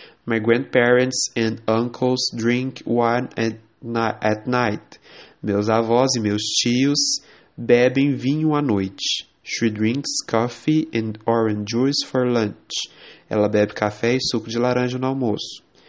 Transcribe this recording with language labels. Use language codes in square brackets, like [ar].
[en] My grandparents and uncles drink wine at night. [pt] Meus avós e meus tios bebem vinho à noite. [en] She drinks coffee and orange juice for lunch. [pt] Ela bebe café e suco de laranja no almoço.